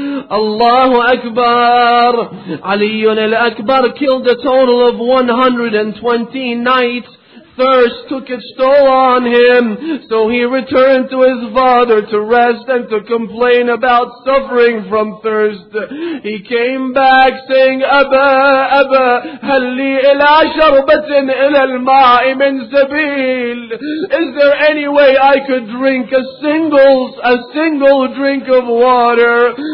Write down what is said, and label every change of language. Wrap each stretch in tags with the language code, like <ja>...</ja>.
<en>Allahu Akbar. Ali ibn al-Akbar killed a total of 120 knights. Thirst took its toll on him, so he returned to his father to rest and to complain about suffering from thirst. He came back saying,</en> <ar>Abba, Abba, هل لي إلى شربة إلى الماء من سبيل.</ar> <en>Is there any way I could drink a single drink of water?</en>